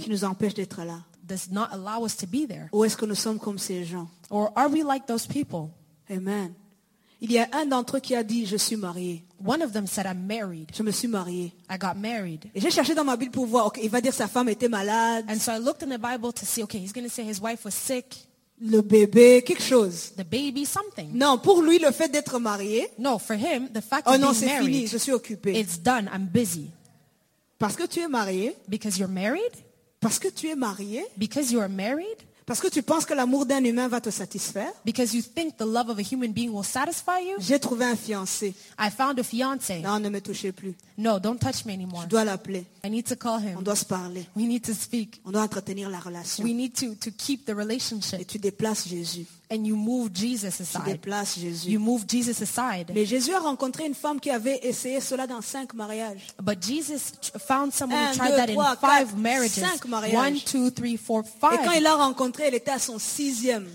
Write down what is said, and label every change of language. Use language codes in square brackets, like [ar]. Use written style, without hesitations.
[fr] Qui nous empêche d'être là? [en] Does not allow us to be there? [fr] Ou est-ce que nous sommes comme ces gens? [en] Or are we like those people? [fr] Amen. Il y a un d'entre eux qui a dit, je suis marié. [en] One of them said, I'm married. [fr] Je me suis marié. [en] I got married. [fr] Et j'ai cherché dans ma Bible pour voir, okay, il va dire sa femme était malade. [en] And so I looked in the Bible to see, okay, he's going to say his wife was sick. [fr] Le bébé, quelque chose. [en] The baby, something. [fr] Non, pour lui, le fait d'être marié. [en] No, for him, the fact of being married. [fr] Oh non, c'est fini, je suis occupé. [en] It's done, I'm busy. [fr] Parce que tu es marié. [en] Because you're married. [fr] Parce que tu es marié. [en] Because you are married. [fr] Parce que tu penses que l'amour d'un humain va te satisfaire? [en] Because you think the love of a human being will satisfy you? [fr] J'ai trouvé un fiancé. [en] I found a fiancé. [fr] Non, ne me touchez plus. [en] No, don't touch me anymore. [fr] Je dois l'appeler. [en] I need to call him. [fr] On doit se parler. [en] We need to speak. [fr] On doit entretenir la relation. [en] We need to keep the relationship. [fr] Et tu déplaces Jésus. [en] And you move Jesus aside. [fr] Tu déplaces Jésus. [en] You move Jesus aside. [fr] Mais Jésus a rencontré une femme qui avait essayé cela dans 5 mariages. [en] But Jesus found someone who tried that in 5 marriages. [fr] 5 mariages. 1, 2, 3, 4, 5. Et quand il l'a rencontrée, elle était à son 6e.